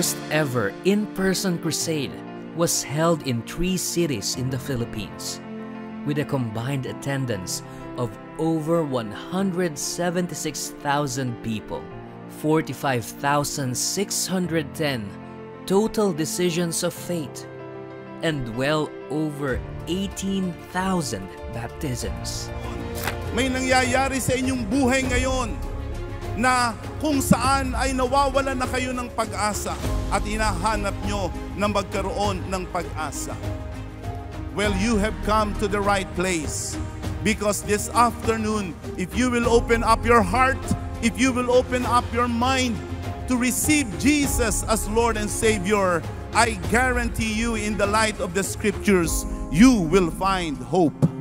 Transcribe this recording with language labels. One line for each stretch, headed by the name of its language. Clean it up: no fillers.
English: Ever in-person crusade was held in three cities in the Philippines with a combined attendance of over 176,000 people, 45,610 total decisions of fate, and well over 18,000 baptisms.
Filipino: May nangyayari sa inyong buhay ngayon na kung saan ay nawawala na kayo ng pag-asa at hinahanap nyo na magkaroon ng pag-asa.
English: Well, you have come to the right place, because this afternoon, if you will open up your heart, if you will open up your mind, to receive Jesus as Lord and Savior, I guarantee you, in the light of the scriptures, you will find hope.